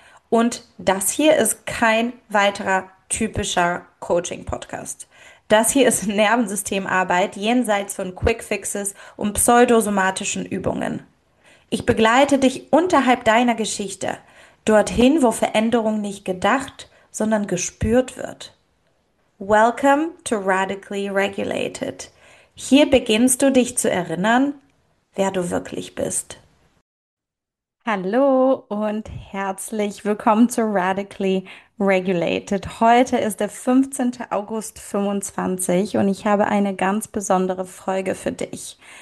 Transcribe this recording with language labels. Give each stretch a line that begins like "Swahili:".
German: Und das hier ist kein weiterer typischer Coaching-Podcast. Das hier ist Nervensystemarbeit jenseits von Quickfixes und pseudosomatischen Übungen. Ich begleite dich unterhalb deiner Geschichte, dorthin, wo Veränderung nicht gedacht, sondern gespürt wird.
English: Welcome to Radically Regulated.
German: Hier beginnst du dich zu erinnern, wer du wirklich bist. Hallo und herzlich willkommen zu Radically Regulated. Heute ist der 15. August 2025 und ich habe eine ganz besondere Folge für dich.